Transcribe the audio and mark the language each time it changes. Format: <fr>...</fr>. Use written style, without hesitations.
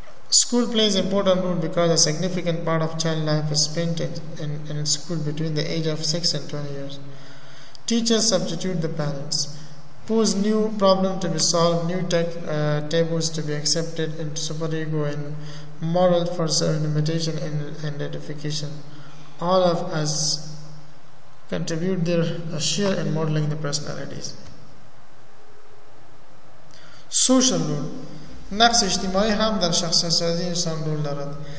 <en>School plays important role because a significant part of child life is spent in school between the age of 6 and 20 years Teachers substitute the parents Pose new problem to be solved, new tables to be accepted in superego and moral for self-limitation and identification. All of us contribute their share in modeling the personalities. Social role.</en> <fa>نقص اجتماعی هم در شخصیت سازی انسان رول دارد.</fa>